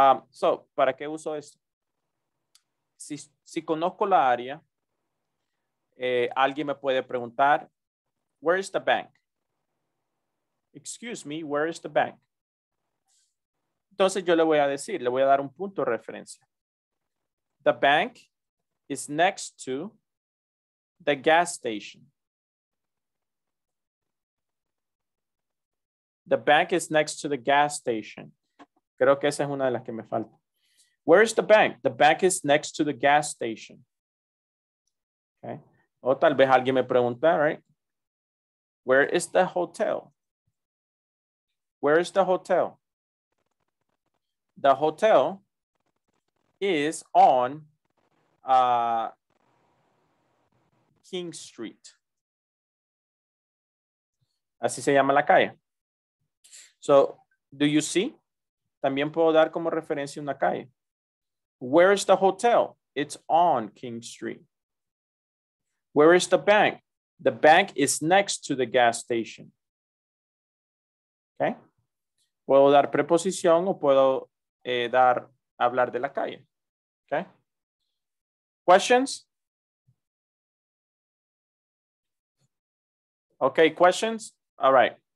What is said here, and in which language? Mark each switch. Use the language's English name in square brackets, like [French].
[Spanish] So, ¿para qué uso esto? Si conozco la área, alguien me puede preguntar, [English] where is the bank? Excuse me, where is the bank? [Spanish] Entonces yo le voy a dar un punto de referencia. [English] The bank is next to the gas station. The bank is next to the gas station. [Spanish] Creo que esa es una de las que me falta. [English] Where is the bank? The bank is next to the gas station. [Spanish] Okay. O tal vez alguien me pregunta, right? [English] Where is the hotel? Where is the hotel? The hotel is on King Street. [Spanish] Así se llama la calle. [English] So, do you see? [Spanish] También puedo dar como referencia una calle. [English] Where is the hotel? It's on King Street. Where is the bank? The bank is next to the gas station. Okay? [Spanish] Puedo dar preposición o puedo hablar de la calle. [English] Okay? Questions? Okay, questions? All right.